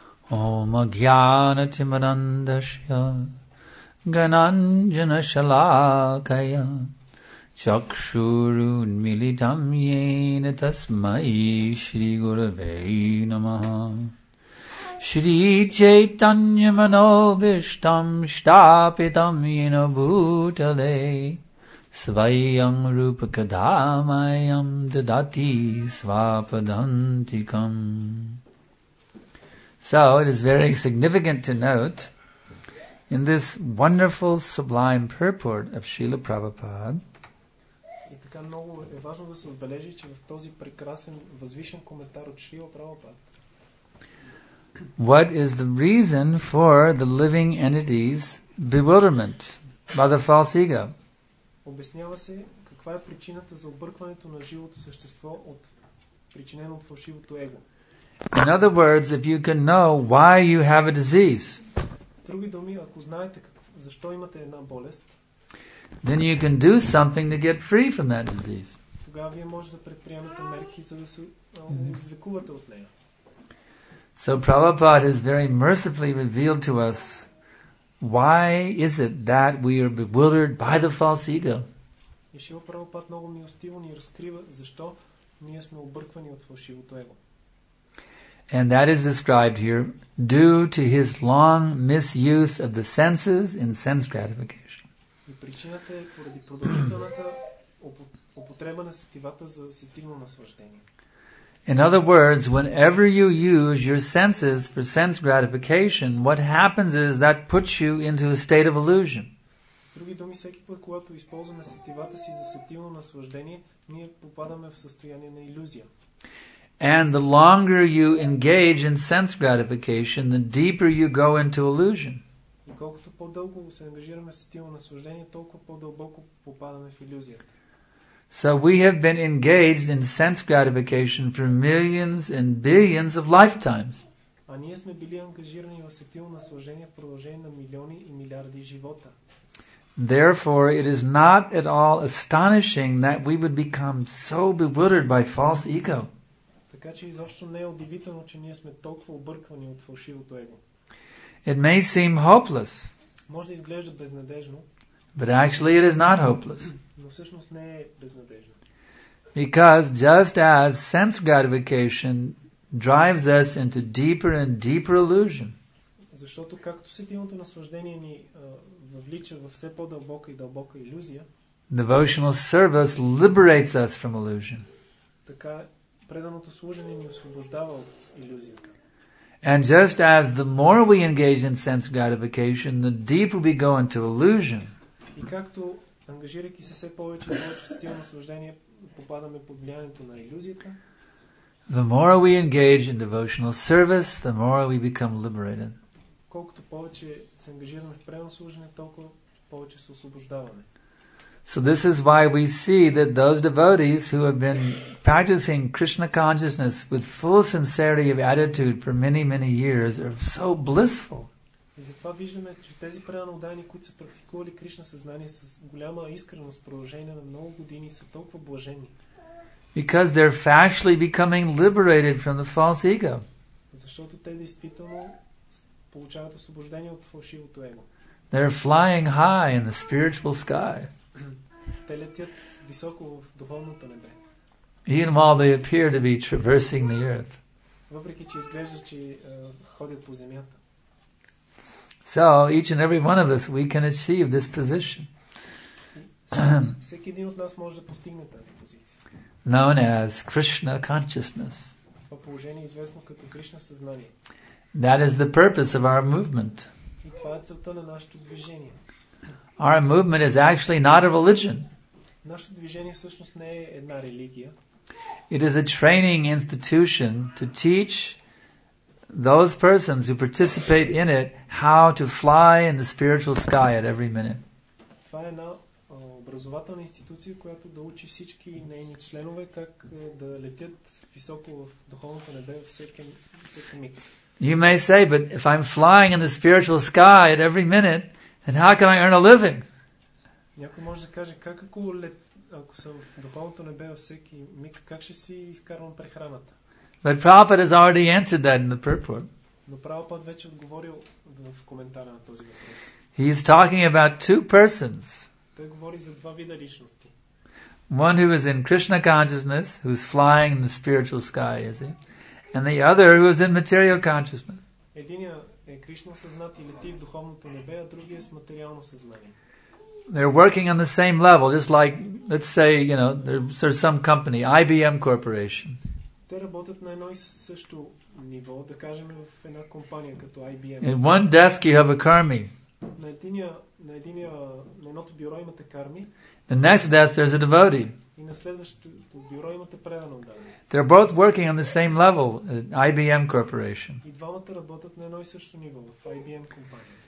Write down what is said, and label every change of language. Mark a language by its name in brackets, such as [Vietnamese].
[Sanskrit] Om Ajnana Timanandasya Gananjana Shalakaya Chakshuru Militam Yena Tasmai Shri Gurave Namaha Shri Chaitanya Manobhishtam Shtapitam Yena Bhutale Svayam Rupakadamayam Dadati Svapadantikam. [English] So it is very significant to note in this wonderful sublime purport of Srila Prabhupada. [Bulgarian] И така много е важно да се отбележи, че в този прекрасен възвишен коментар от Шрила Прабхупад. [English] What is the reason for the living entity's bewilderment by the false ego? [Bulgarian] Обяснява се каква е причината за объркването на живото същество от причинено от фалшивото его. [English] In other words, if you can know why you have a disease, [Bulgarian] с други думи, ако знаете защо имате една болест, [English] then you can do something to get free from that disease. [Bulgarian] Тогава вие може да предприемете мерки, за да се излекувате от нея. [English] So Prabhupada has very mercifully revealed to us why is it that we are bewildered by the false ego. [Bulgarian] Шрила Прабхупада много милостиво ни разкрива защо ние сме объркани от фалшивото его. [English] And that is described here due to his long misuse of the senses in sense gratification. [Bulgarian] И причината е поради продължителната употреба на сетивата за сетивно наслаждение. [English] In other words, whenever you use your senses for sense gratification, what happens is that puts you into a state of illusion. [Bulgarian] С други думи, всеки път, когато използваме сетивата си за сетивно наслаждение, ние попадаме в състояние на илюзия. [English] And the longer you engage in sense gratification, the deeper you go into illusion. [Bulgarian] И колкото по-дълго се ангажираме с сетивно наслаждение, толкова по-дълбоко попадаме в илюзията. [English] So we have been engaged in sense gratification for millions and billions of lifetimes. [Bulgarian] А ние сме били ангажирани в сетивно наслаждение в продължение на милиони и милиарди живота. [English] Therefore, it is not at all astonishing that we would become so bewildered by false ego. [Bulgarian] Така че изобщо не е удивително, че ние сме толкова объркани от фалшивото его. [English] It may seem hopeless. [Bulgarian] Може да изглежда безнадежно. [English] But actually it is not hopeless. [Bulgarian] Но всъщност не е безнадежно. [English] Because just as sense gratification drives us into deeper and deeper illusion. [Bulgarian] Защото както сетивното наслаждение ни въвлича в все по-дълбока и дълбока илюзия, [English] devotional service liberates us from illusion. [Bulgarian] Така преданото служение ни освобождава от илюзията. [English] And just as the more we engage in sense gratification, the deeper we go into illusion. [Bulgarian] И както ангажирайки се все повече и повече сетивно наслаждение, попадаме под влиянието на илюзията. [English] The more we engage in devotional service, the more we become liberated. [Bulgarian] Колкото повече се ангажираме в преданно служение, толкова повече се освобождаваме. [English] So this is why we see that those devotees who have been practicing Krishna consciousness with full sincerity of attitude for many, many years are so blissful. [Bulgarian] И затова виждаме, че тези преданоудани, които са практикували Кришна съзнание с голяма искреност в продължение на много години, са толкова блажени. [English] Because they're factually becoming liberated from the false ego. [Bulgarian] Защото те действително получават освобождение от фалшивото его. [English] They're flying high in the spiritual sky. [Bulgarian] Те летят високо в духовното небе. [English] Even while they appear to be traversing the earth. [Bulgarian] Въпреки че изглежда, че ходят по земята. [English] So each and every one of us, we can achieve this position. [Bulgarian] Всеки един от нас може да постигне тази позиция. [English] Known as Krishna consciousness. [Bulgarian] Това положение е известно като Кришна съзнание. [English] That is the purpose of our movement. [Bulgarian] И това е целта на нашето движение. [English] Our movement is actually not a religion. [Bulgarian] Нашето движение всъщност не е една религия. [English] It is a training institution to teach those persons who participate in it how to fly in the spiritual sky at every minute. [Bulgarian] Това е една образователна институция, която да учи всички нейни членове как да летят високо в духовното небе всеки миг. [English] You may say, but if I'm flying in the spiritual sky at every minute, then how can I earn a living? [Bulgarian] Някой може да каже, как ако съм в духовното небе всеки миг, как ще си изкарвам прехраната? [English] But Prabhupada has already answered that in the purport. [Bulgarian] Но Прабхупад вече отговорил в коментара на този въпрос. [English] He is talking about two persons. [Bulgarian] Той говори за два вида личности. [English] One who is in Krishna consciousness, who is flying in the spiritual sky, is he? And the other who is in material consciousness. [Bulgarian] Единият е Кришна съзнат и лети в духовното небе, а другият е с материално съзнание. [English] They're working on the same level, just like, let's say, you know, there's some company, IBM Corporation. [Bulgarian] Те работят на едно и също ниво, да кажем в една компания като IBM. [English] In one desk you have a karmi. [Bulgarian] На едното бюро имате карми. [English] The next desk there's a devotee. [Bulgarian] И на следващото бюро имате предано отдаване. [English] They're both working on the same level at IBM Corporation. [Bulgarian] И двамата работят на едно и също ниво в IBM компания.